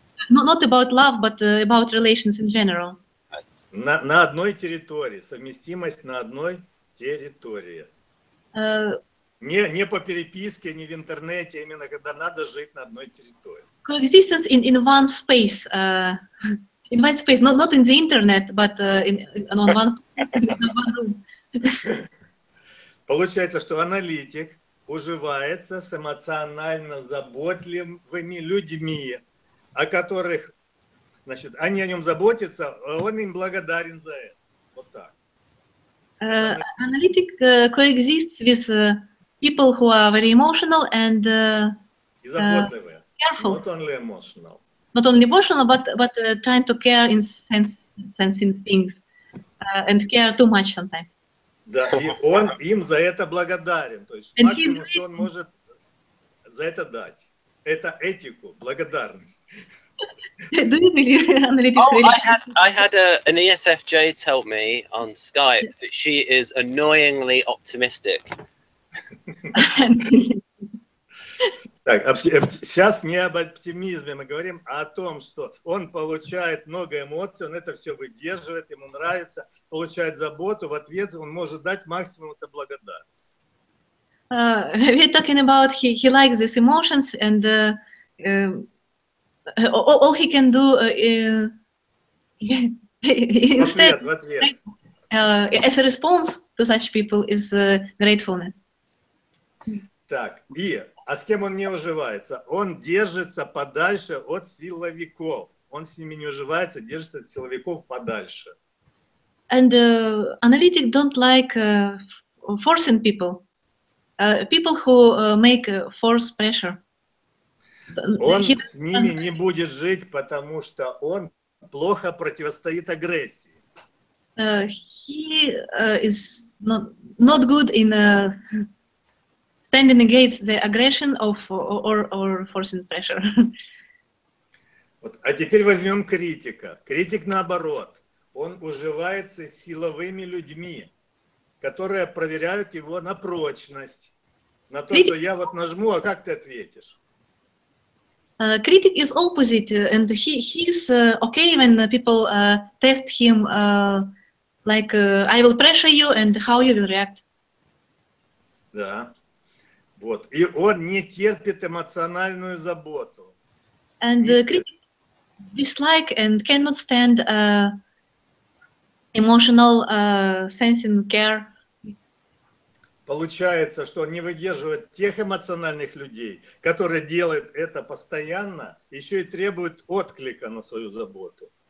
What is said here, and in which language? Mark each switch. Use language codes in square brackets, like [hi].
[en] Not about love, but about relations in general. [ru] На одной территории. Совместимость на одной территории. Не по переписке, не в интернете, именно когда надо жить на одной территории. [en] Coexistence in one space. In one space, not in the internet, but on one room. [ru] Получается, что аналитик уживается с эмоционально заботливыми людьми, о которых, значит, они о нем заботятся, он им благодарен за это. Вот так. [en] Analytic coexists with people who are very emotional and careful. Not only emotional, but trying to care in sensing things and care too much sometimes. [ru] Да, и он им за это благодарен. То есть максимум, что он может за это дать. Это этику, благодарность. [en] Do you believe analytics really? I had an ESFJ tell me on Skype that she is annoyingly optimistic. [ru] Так, сейчас не об оптимизме мы говорим, а о том, что он получает много эмоций, он это все выдерживает, ему нравится, получает заботу, в ответ он может дать максимум это благодарность. [en] We're talking about he likes these emotions and all he can do instead, as a response to such people is gratefulness. [ru] Так, и... А с кем он не уживается? Он держится подальше от силовиков. Он с ними не уживается, держится от силовиков подальше. [en] And analytic don't like forcing people. People who make force pressure. [ru] Он с ними не будет жить, потому что он плохо противостоит агрессии. [en] He is not good in... standing against the aggression of or forcing pressure. [ru] Вот, а теперь возьмем критика. Критик наоборот. Он уживается с силовыми людьми, которые проверяют его на прочность. На то, что я вот нажму, а как ты ответишь? [en] Critic is opposite, and he's okay when people test him like I will pressure you and how you will react. [ru] Да. Вот. И он не терпит эмоциональную заботу. [en] And critic dislike and cannot stand emotional sensing care. [ru] Получается, что он не выдерживает тех эмоциональных людей, которые делают это постоянно, еще и требуют отклика на свою заботу.